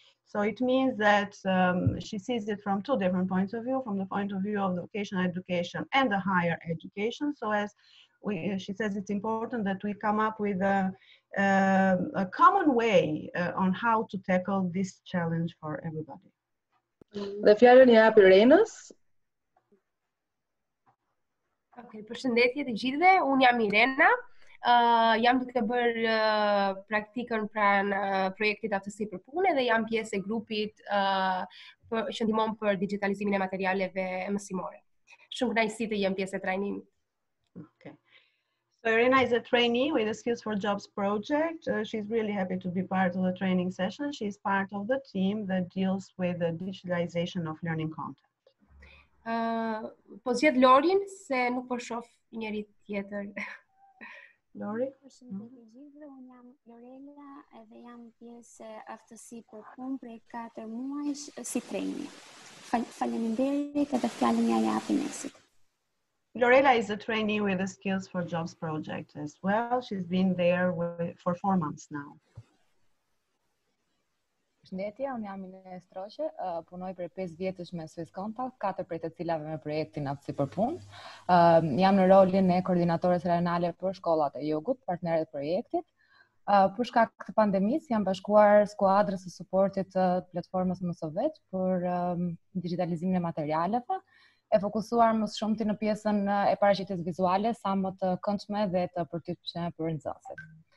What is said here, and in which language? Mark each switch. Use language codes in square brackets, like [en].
[en] So it means that she sees it from two different points of view, from the point of view of the vocational education and the higher education. So as she says, it's important that we come up with a common way on how to tackle this challenge for everybody. [sq] Dhe fjallën e hapi Renës. Okay, përshëndetje të gjithëve, unë jam Irena, jam duke bërë praktikën pranë projektit aftësi për punë dhe jam pjesë e grupit që ndihmon për digitalizimin e materialeve mësimore. Shumë kënaqësi të jem pjesë e trajnimit. Okay. [en] Irena is a trainee with the Skills4jobs project. She's really happy to be part of the training session. She's part of the team that deals with the digitalization of learning content. [sq] Po zgjedh Lorin se nuk po shoh njëri tjetër. Lori? Unë jam Lorela dhe jam pjesë aftësi për punë prej 4 muajsh si trainee. Faleminderit edhe fjalën ja japim nesër. [en] Lorela is a trainee with the Skills4jobs project as well. She's been there for 4 months now. [sq] Përshëndetje, unë jam Ines Stroqe, punoj për 5 vjetësh me Swiss Contact, 4 prej të cilave me projektin aftësi për punë. Jam në rolin e koordinatorës rajonale për shkollat e jugut, partnerë të projektit. Për shkak të pandemisë, jam bashkuar skuadrës së suportit të platformës Mësovet për digitalizimin e materialeve, e fokusuar më shumë ti në pjesën e paraqitjes vizuale, sa më të këndshme dhe të përditshme për nxënësit.